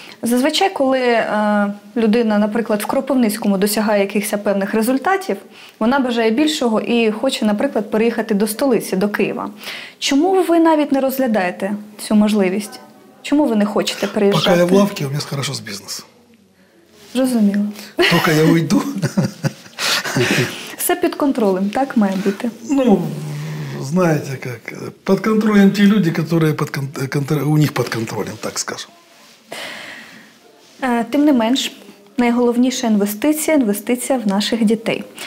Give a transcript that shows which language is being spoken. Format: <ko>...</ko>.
<uk>Зазвичай, коли людина, наприклад, в Кропивницькому досягає якихось певних результатів, вона бажає більшого і хоче, наприклад, переїхати до столиці, до Києва. Чому ви навіть не розглядаєте цю можливість? Чому ви не хочете переїжджати? Поки я в лавці, у мене хорошо з бізнесом. Зрозуміло. Поки я уйду. Все під контролем, так має бути?</uk> <ru>Ну, знаете как, под контролем те люди, которые под у них под контролем, так скажем.</ru> <uk>Тим не менш, найголовніша інвестиція – інвестиція в наших дітей.</uk>